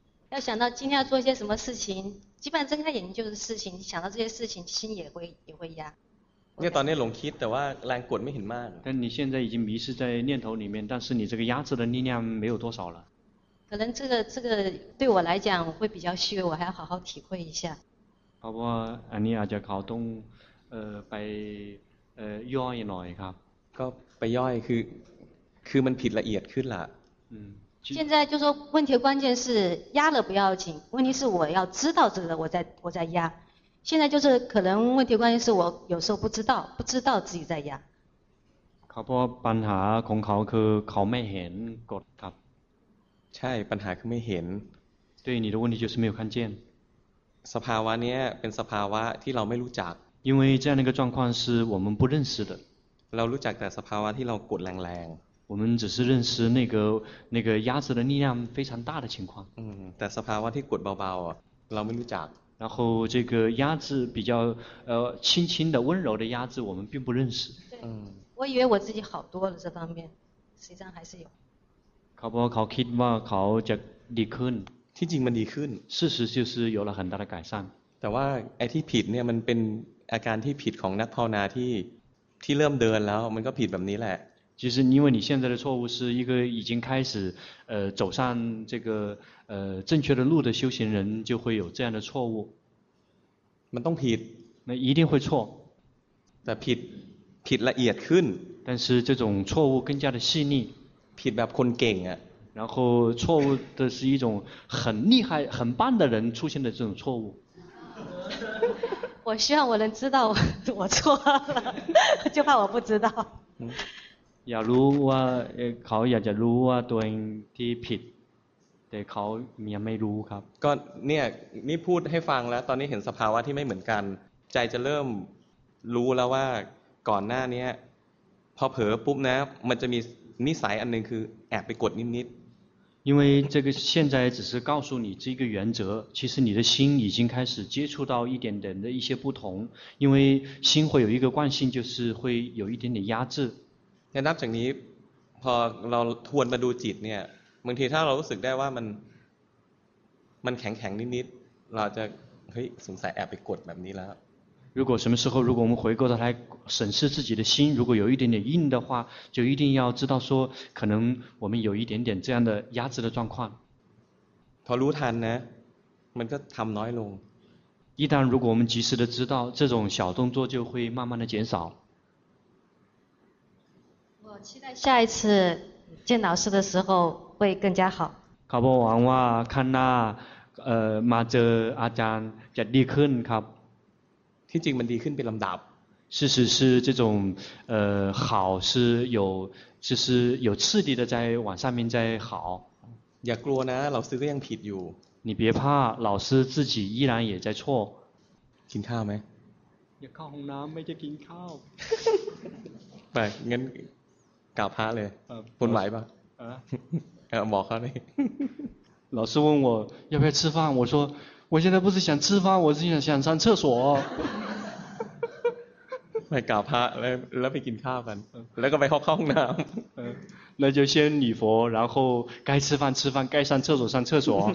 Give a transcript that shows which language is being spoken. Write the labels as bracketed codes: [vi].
[zh] 要想到今天要做些什么事情基本上睁开眼睛就是事情想到这些事情心也会压 [th] เนี่ยตอนนี้หลงคิดแต่ว่าแรงกดไม่เห็นมาก [zh] 但你现在已经迷失在念头里面但是你这个压制的力量没有多少了可能这个对我来讲会比较虚我还要好好体会一下好不好 [th] อันนี้อาจจะเขาต้องไปย่อยหน่อยครับ ก็ไปย่อยคือมันผิดละเอียดขึ้นละ [zh] 现在就说问题关键是压了不要紧问题是我要知道这个我在压现在就是可能问题关键是我有时候不知道自己在压 [th] เขาบอกปัญหาของเขาคือเขาไม่เห็นกดครับ ใช่ปัญหาคือไม่เห็น [zh] 对你的问题就是没有看见 [th] สภาวะนี้เป็นสภาวะที่เราไม่รู้จัก [zh] 因为这样的一个状况是我们不认识的 [th] เรารู้จักแต่สภาวะที่เรากดแรง [zh] ๆ我们只是认识那个压制的力量非常大的情况 [th] แต่สภาวะที่กดเบาๆเราไม่รู้จัก [zh] 然后这个压制比较轻轻的温柔的压制我们并不认识我以为我自己好多了这方面实际上还是有考不考 [th] คิดว่าเขาจะดีขึ้น ที่จริงมันดีขึ้น [zh] 事实就是有了很大的改善 [th] แต่ว่าไอ้ที่ผิดเนี่ยมันเป็นอาการที่ผิดของนักภาวนาที่เริ่มเดินแล้วมันก็ผิดแบบนี้แหละ [zh] 其实因为你现在的错误是一个已经开始走上这个正确的路的修行人就会有这样的错误 [th] มันต้องผิด [zh] 那一定会错 [th] แต่ผิดละเอียดขึ้น [zh] 但是这种错误更加的细腻 [th] ผิดแบบคนเก่งอ่ะ [zh] 然后错误的是一种很厉害很棒的人出现的这种错误我希望我能知道我错了就怕我不知道 [th] อยากรู้ว่าเขาอยากจะรู้ว่าตัวเองที่ผิดแต่เขาไม่รู้ครับ ก็เนี่ยนี่พูดให้ฟังแล้วตอนนี้เห็นสภาวะที่ไม่เหมือนกันใจจะเริ่มรู้แล้วว่าก่อนหน้านี้พอเผลอปุ๊บนะมันจะมีนิสัยอันนึงคือแอบไปกดนิด [zh] ๆ因为这个现在只是告诉你这个原则其实你的心已经开始接触到一点点的一些不同因为心会有一个惯性就是会有一点点压制 [th] แค่นับจากนี้พอเราทวนมาดูจิตเนี่ยบางทีถ้าเรารู้สึกได้ว่ามันแข็งๆนิดๆเราจะเฮ้ยสงสัยแอบไปกดแบบนี้แล้ว [zh] 如果什么时候如果我们回过头来审视自己的心如果有一点点硬的话就一定要知道说可能我们有一点点这样的压制的状况 [th] พอรู้ทันนะมันก็ทำน้อยลง [zh] 一旦如果我们及时的知道这种小动作就会慢慢的减少我期待下一次见老师的时候会更加好。考不完哇，看那 [th] มาเจออาจารย์จะดีขึ้นครับ。 ที่จริงมันดีขึ้นเป็นลำดับ。 [zh] 事实是这种好是有就是有次第的在往上面在好。 [th] อย่ากลัวนะ老师ก็ยังผิดอยู่。 [zh] 你别怕，老师自己依然也在错。 [th] กินข้าวไ หม？อย่าเข้าห้องน้ำไม่จะกินข้าว。 ไปงั้นกราบพระเลยบุญไหวป่ะบอกเขาหน่อย [zh] 老师问我要不要吃饭，我说我现在不是想吃饭，我是想上厕所。 [th] ไปกราบพระแล้วไปกินข้าวกันแล้วก็ไปห้องน้ำ [zh] 那就先礼佛，然后该吃饭吃饭，该上厕所上厕所。